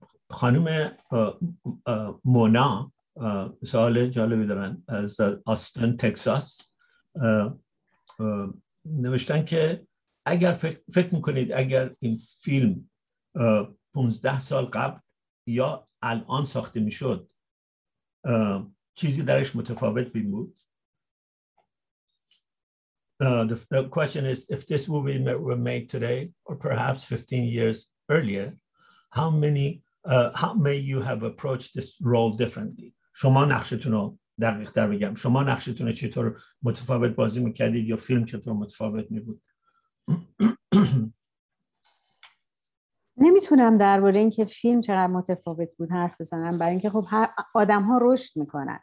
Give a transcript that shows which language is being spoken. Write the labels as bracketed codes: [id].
[fa] خانم مونا سوال جالبی دارن از آستن تکساس. نوشتن که اگر فکر میکنید اگر این فیلم 15 سال قبل یا الان ساخته میشد چیزی درش متفاوت بود. [en] The question is if this movie were made today or perhaps 15 years earlier, how may you have approached this role differently? [fa] شما نقشتون رو دقیق تر بگم، شما نقشتون رو چطور متفاوت بازی میکردید یا فیلم چطور متفاوت میبود؟ نمیتونم درباره این که فیلم چقدر متفاوت بود حرف بزنم، برای اینکه خب آدم ها رشد میکنن.